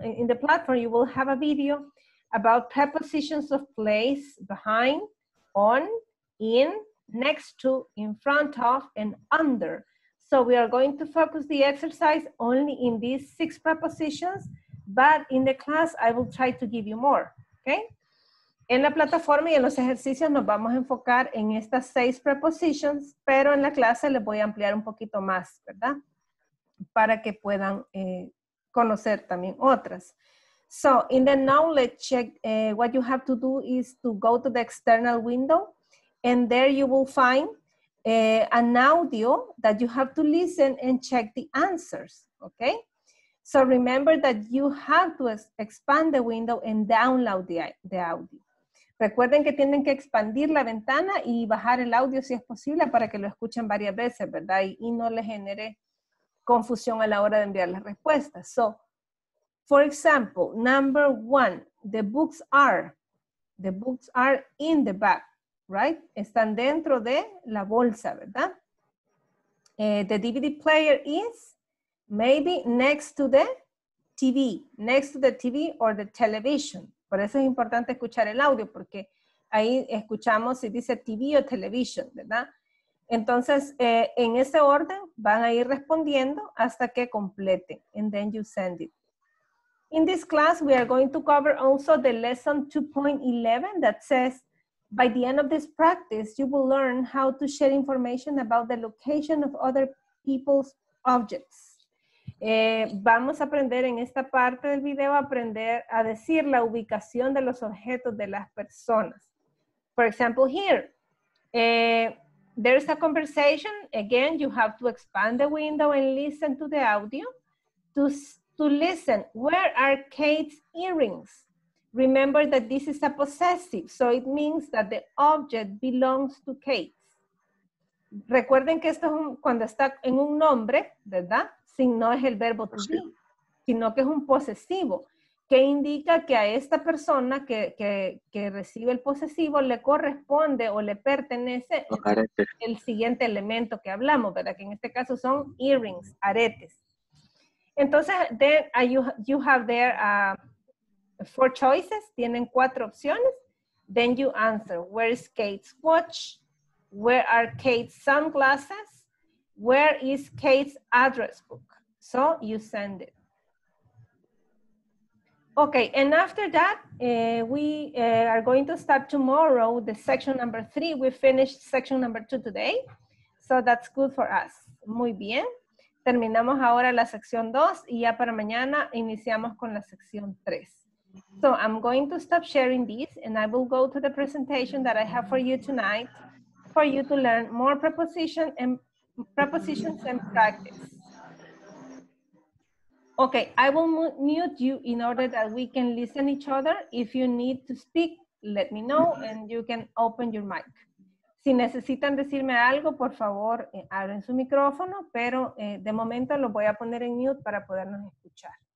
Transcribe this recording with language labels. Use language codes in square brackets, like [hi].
[en] In the platform, you will have a video about prepositions of place, behind, on, in, next to, in front of, and under. So we are going to focus the exercise only in these six prepositions. But in the class, I will try to give you more, okay? [es] En la plataforma y en los ejercicios nos vamos a enfocar en estas seis prepositions, pero en la clase les voy a ampliar un poquito más, ¿verdad? Para que puedan conocer también otras. [en] So, in the knowledge check, what you have to do is to go to the external window, and there you will find an audio that you have to listen and check the answers, okay? So remember that you have to expand the window and download the audio. [es] Recuerden que tienen que expandir la ventana y bajar el audio si es posible para que lo escuchen varias veces, ¿verdad? Y no le genere confusión a la hora de enviar las respuestas. [en] So, for example, number one, the books are in the bag, right? [es] Están dentro de la bolsa, ¿verdad? [en] The DVD player is... maybe next to the TV, next to the TV or the television. [es] Por eso es importante escuchar el audio, porque ahí escuchamos si dice TV o television, ¿verdad? Entonces, en ese orden van a ir respondiendo hasta que complete, [en] and then you send it. In this class, we are going to cover also the lesson 2.11 that says, by the end of this practice, you will learn how to share information about the location of other people's objects. [es] Vamos a aprender en esta parte del video a aprender a decir la ubicación de los objetos de las personas. [en] For example, here, there's a conversation. Again, you have to expand the window and listen to the audio. To listen, where are Kate's earrings? Remember that this is a possessive, so it means that the object belongs to Kate. [es] Recuerden que esto es cuando está en un nombre, ¿verdad? Si no es el verbo to be, sino que es un posesivo, que indica que a esta persona que recibe el posesivo le corresponde o le pertenece el siguiente elemento que hablamos, ¿verdad? Que en este caso son earrings, aretes. Entonces, [en] then, you have there four choices, [es] tienen cuatro opciones. [en] Then you answer, where is Kate's watch? Where are Kate's sunglasses? Where is Kate's address book? So you send it. Okay, and after that, we are going to start tomorrow the section number 3. We finished section number 2 today. So that's good for us. [es] Muy bien. Terminamos ahora la sección 2 y ya para mañana iniciamos con la sección 3. [en] So I'm going to stop sharing this and I will go to the presentation that I have for you tonight for you to learn more prepositions and practice. Okay, I will mute you in order that we can listen to each other. If you need to speak, let me know and you can open your mic. [es] Si necesitan decirme algo, por favor, abren su micrófono, pero de momento lo voy a poner en mute para podernos escuchar.